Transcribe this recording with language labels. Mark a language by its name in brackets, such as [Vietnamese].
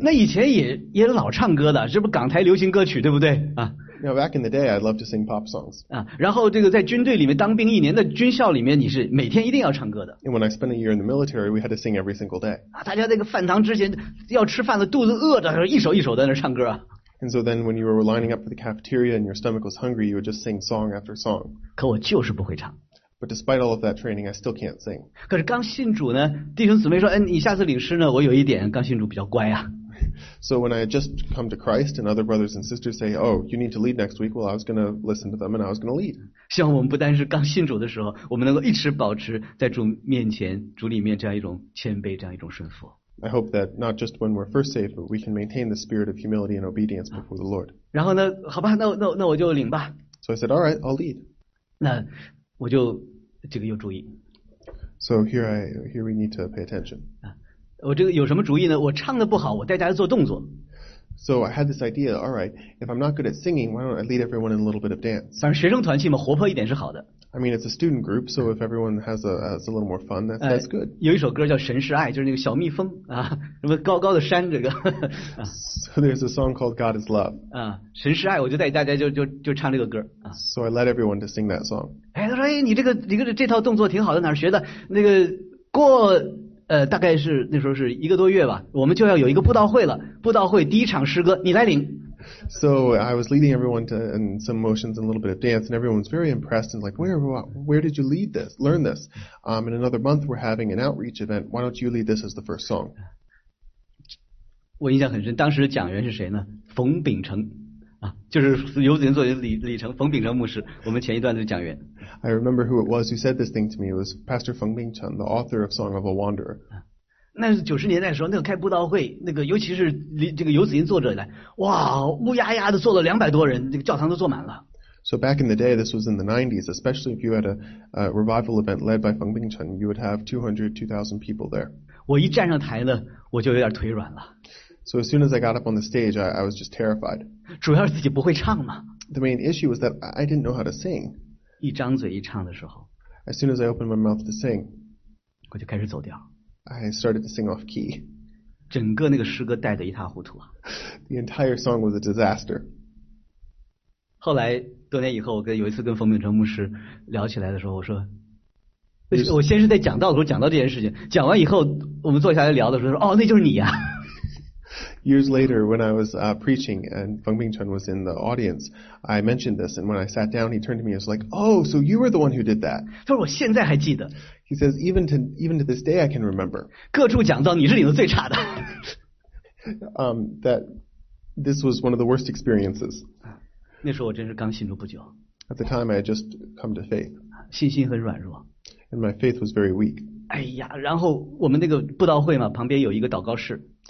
[Chinese] 那以前也老唱歌的，这不港台流行歌曲对不对啊 [English] ？Now back in the day, I'd love to sing pop songs. [Chinese] 啊，然后这个在军队里面当兵一年的军校里面，你是每天一定要唱歌的。 [English] And when I spent a year in the military, we had to sing every single day. [Chinese] 啊，大家那个饭堂之前要吃饭了，肚子饿着，一首一首在那唱歌啊。 [English] And so then, when you were lining up for the cafeteria and your stomach was hungry, you would just sing song after song. [Chinese] 可我就是不会唱。 [English] But despite all of that training, I still can't sing. [Chinese] 可是刚信主呢，弟兄姊妹说，哎，你下次领诗呢，我有一点刚信主比较乖啊。 [English] So when I had just come to Christ, and other brothers and sisters say, "Oh, you need to lead next week," well, I was going to listen to them, and I was going to lead. [Chinese] 希望我们不单是刚信主的时候，我们能够一直保持在主面前、主里面这样一种谦卑、这样一种顺服。 [English] I hope that not just when we're first saved, but we can maintain the spirit of humility and obedience before the Lord. [Chinese] 然后呢，好吧，那我就领吧。 [English] So I said, "All right, I'll lead." [Chinese] 那我就。这个有主意。 [English] So here we need to pay attention. [Chinese] 我这个有什么主意呢？我唱的不好，我带大家做动作。 [English] So I had this idea. All right, if I'm not good at singing, why don't I lead everyone in a little bit of dance? [Chinese] 反正学生团契嘛，活泼一点是好的。 [English] I mean, it's a student group, so if everyone has a little more fun, that's good. [Chinese] 有一首歌叫《神是爱》，就是那个小蜜蜂啊，什么高高的山这个。 [English] So there's a song called God is Love. [Chinese] 啊，神是爱，我就带大家就唱这个歌啊。 [English] So I led everyone to sing that song. [Chinese] 哎，他说，哎，你这套动作挺好的，哪儿学的？那个过。大概是那时候是一个多月吧，我们就要有一个布道会了。布道会第一场诗歌，你来领。 [English] So I was leading everyone to and some motions and a little bit of dance, and everyone was very impressed and like, where did you lead this? Learn this? In another month, we're having an outreach event. Why don't you lead this as the first song? [Chinese] 我印象很深，当时的讲员是谁呢？冯秉成。就是游子吟作曲李成冯秉成牧师，我们前一段的讲员。 [English] I remember who it was who said this thing to me. It was Pastor Feng Bingcheng, the author of Song of a Wanderer. [Chinese] 那是九十年代的时候，那个开布道会，那个尤其是这个游子吟作者来，哇，乌压压的坐了200多人，这个教堂都坐满了。 [English] So back in the day, this was in the 90s, especially if you had a revival event led by Feng Bingcheng, you would have 200, 2,000 people there. [Chinese] 我一站上台呢，我就有点腿软了。 [English] So as soon as I got up on the stage, I was just terrified. [Chinese] 主要是自己不会唱嘛。 [English] The main issue was that I didn't know how to sing. [Chinese] 一张嘴一唱的时候。 [English] As soon as I opened my mouth to sing, [Chinese] 我就开始走调。 [English] I started to sing off key. [Chinese] 整个那个诗歌带得一塌糊涂啊。 [English] The entire song was a disaster. [Chinese] 后来多年以后，我跟有一次跟冯秉成牧师聊起来的时候，我说，我先是在讲道的时候讲到这件事情，讲完以后，我们坐下来聊的时候说，哦，那就是你呀、啊。 [English] Years later, when I was preaching and Feng Bingcheng was in the audience, I mentioned this, and when I sat down, he turned to me and was like, "Oh, so you were the one who did that?" [Chinese] 他说我现在还记得。 [English] He says, "Even to this day, I can remember." [Chinese] 各处讲道，你是里头最差的。 [English] that this was one of the worst experiences. [Chinese] 那时候我真是刚信主不久。 [English] At the time, I had just come to faith. [Chinese] 信心很软弱。 [English] And my faith was very weak. [Chinese] 哎呀，然后我们那个布道会嘛，旁边有一个祷告室。